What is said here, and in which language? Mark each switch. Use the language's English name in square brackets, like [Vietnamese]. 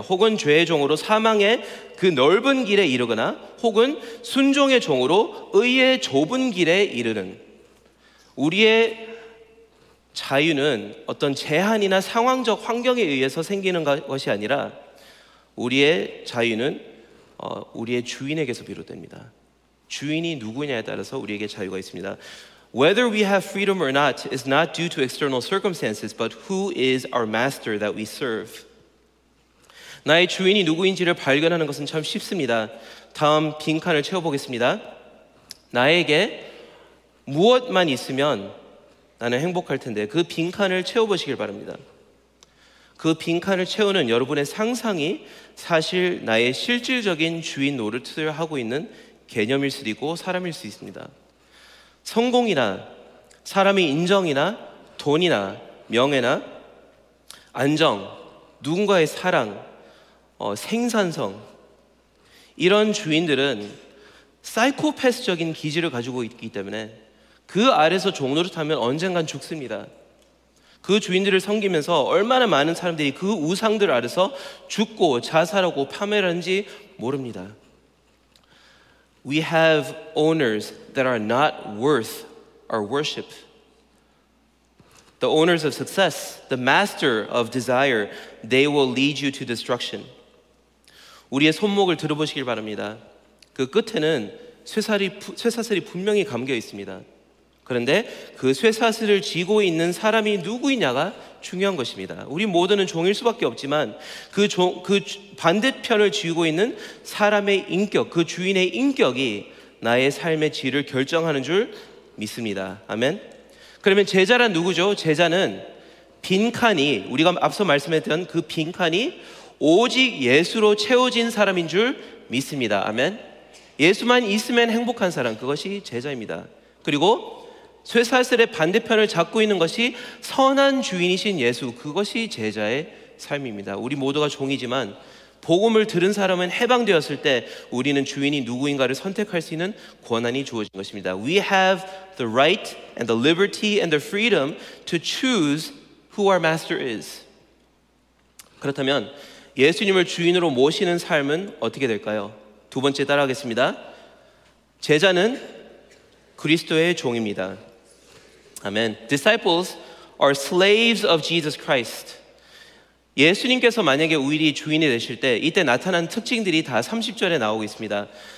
[Korean] 혹은 죄의 종으로 사망의 그 넓은 길에 이르거나 혹은 순종의 종으로 의의 좁은 길에 이르는. 우리의 자유는 어떤 제한이나 상황적 환경에 의해서 생기는 것이 아니라 우리의 자유는 우리의 주인에게서 비롯됩니다. 주인이 누구냐에 따라서 우리에게 자유가 있습니다. [English] Whether we have freedom or not is not due to external circumstances, but who is our master that we serve? [Korean] 나의 주인이 누구인지를 발견하는 것은 참 쉽습니다. 다음 빈칸을 채워보겠습니다. 나에게 무엇만 있으면 나는 행복할 텐데 그 빈칸을 채워보시길 바랍니다. 그 빈칸을 채우는 여러분의 상상이 사실 나의 실질적인 주인 노릇을 하고 있는 개념일 수도 있고 사람일 수 있습니다. 성공이나 사람의 인정이나 돈이나 명예나 안정, 누군가의 사랑, 생산성 이런 주인들은 사이코패스적인 기질을 가지고 있기 때문에 그 아래서 종노릇하면 언젠간 죽습니다. 그 주인들을 섬기면서 얼마나 많은 사람들이 그 우상들 아래서 죽고 자살하고 파멸하는지 모릅니다. [English] We have owners that are not worth our worship. The owners of success, the master of desire, they will lead you to destruction. [Korean] 우리의 손목을 들어보시길 바랍니다. 그 끝에는 쇠사슬이 분명히 감겨 있습니다. 그런데 그 쇠사슬을 쥐고 있는 사람이 누구이냐가 중요한 것입니다. 우리 모두는 종일 수밖에 없지만 그 반대편을 쥐고 있는 사람의 인격, 그 주인의 인격이 나의 삶의 질을 결정하는 줄 믿습니다. 아멘. 그러면 제자란 누구죠? 제자는 빈칸이, 우리가 앞서 말씀했던 그 빈칸이 오직 예수로 채워진 사람인 줄 믿습니다. 아멘. 예수만 있으면 행복한 사람, 그것이 제자입니다. 그리고 쇠사슬의 반대편을 잡고 있는 것이 선한 주인이신 예수, 그것이 제자의 삶입니다. 우리 모두가 종이지만 복음을 들은 사람은 해방되었을 때 우리는 주인이 누구인가를 선택할 수 있는 권한이 주어진 것입니다. [English] We have the right and the liberty and the freedom to choose who our master is. [Korean] 그렇다면 예수님을 주인으로 모시는 삶은 어떻게 될까요? 두 번째 따라하겠습니다. 제자는 그리스도의 종입니다. [English] Amen. Disciples are slaves of Jesus Christ. [Korean] 예수님께서 만약에 우리 주인이 되실 때 이때 나타난 특징들이 다 30절에 나오고 있습니다.